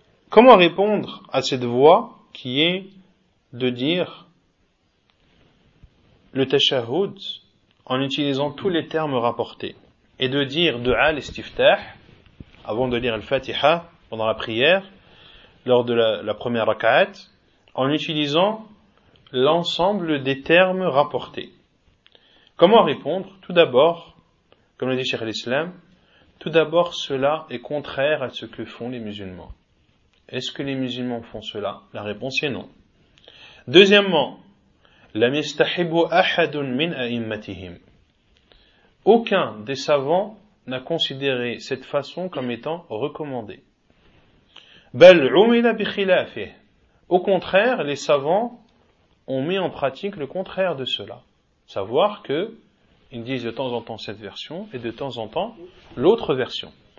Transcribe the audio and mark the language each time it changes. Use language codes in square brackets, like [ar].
[fr] Comment répondre à cette voix qui est de dire le tashahhud en utilisant tous les termes rapportés et de dire du'a l'istiftah avant de lire al-fatiha pendant la prière lors de la première raka'at en utilisant l'ensemble des termes rapportés? Comment répondre? Tout d'abord, comme le dit Cheikh al-Islam, tout d'abord cela est contraire à ce que font les musulmans. Est-ce que les musulmans font cela? La réponse est non. [ar] Deuxièmement, لم يستحب أحد من أئمتهم. [fr] Aucun des savants n'a considéré cette façon comme étant recommandée. [ar] بل عمل بخلافه. [fr] Au contraire, les savants ont mis en pratique le contraire de cela. savoir qu'ils disent de temps en temps cette version et de temps en temps l'autre version.